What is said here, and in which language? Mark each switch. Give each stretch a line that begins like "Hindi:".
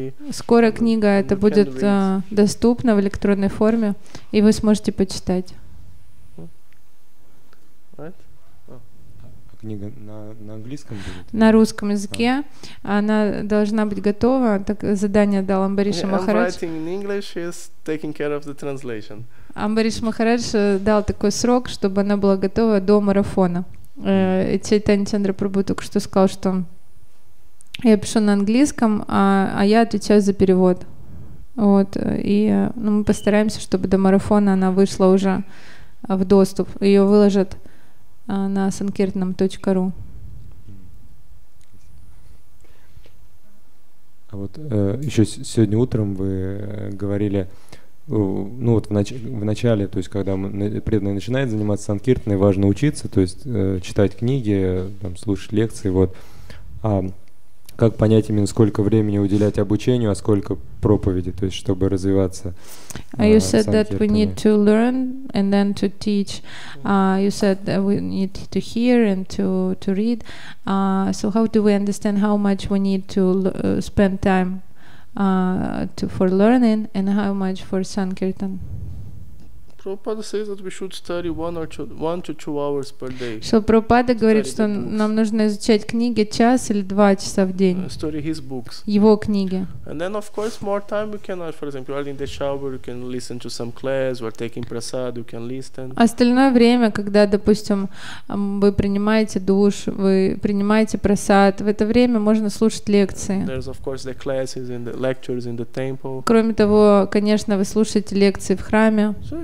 Russian: Скоро книга эта будет доступна в электронной форме, и вы сможете почитать.
English: Right?
Russian: А книга на английском будет? На русском языке. Она должна быть готова. Так, задание дал Амбариша Махарадж.
English: I'm writing in English, she's taking care of the translation.
Russian: Амбариш Махарадж дал такой срок, чтобы она была готова до марафона. Чайтанья Чандра Прабху только что сказал, что я пишу на английском, а я отвечаю за перевод. Вот. И мы постараемся, чтобы до марафона она вышла уже в доступ. Ее выложат на sankirtanam.ru. А вот еще сегодня утром вы говорили, ну вот в начале, то есть когда преданный начинает заниматься санкиртаной, важно учиться, то есть читать книги, там, слушать лекции, вот. А как понять именно, сколько времени уделять обучению, а сколько проповеди, то есть чтобы развиваться санкиртаной?
English: You said that we need to learn and then to teach. You said that we need to hear and to read. So how do we understand how much we need to spend time for learning and how much for sankirtan? Prabhupada says that we should study one to two hours per day.
Russian: Шрила Прабхупада говорит, что нам нужно изучать книги час или два часа в день.
English: Study his books.
Russian: Его книги.
English: And then of course more time we can, for example, while in the shower you can listen to some class, while taking prasad you can listen.
Russian: Остальное время, когда, допустим, вы принимаете душ, вы принимаете прасад, в это время можно слушать лекции.
English: There's of course the classes and the lectures in the temple. Кроме того, конечно, вы слушаете лекции в храме.